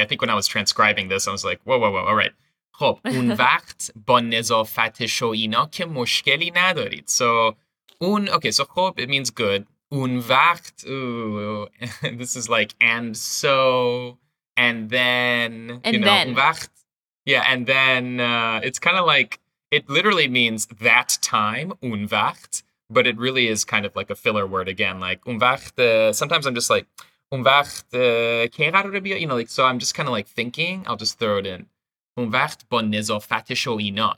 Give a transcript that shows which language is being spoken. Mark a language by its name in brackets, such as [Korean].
[English] I think when I was transcribing this, I was like, whoa, whoa, whoa. All right. [Persian] خب اون وقت با نظافت شو اینا که مشکلی ندارید. [English] So, اون, okay, so خب, it means good. Un vacht, this is like, and so, and then, and you know, un vacht, yeah, and then, it's kind of like, it literally means that time, un vacht, but it really is kind of like a filler word again, like, un vacht, sometimes I'm just like, un vacht, [Persian] kei qarare biyai, [English] you know, like, so I'm just kind of like thinking, I'll just throw it in, [Persian] un vacht bo nezafat sho ina.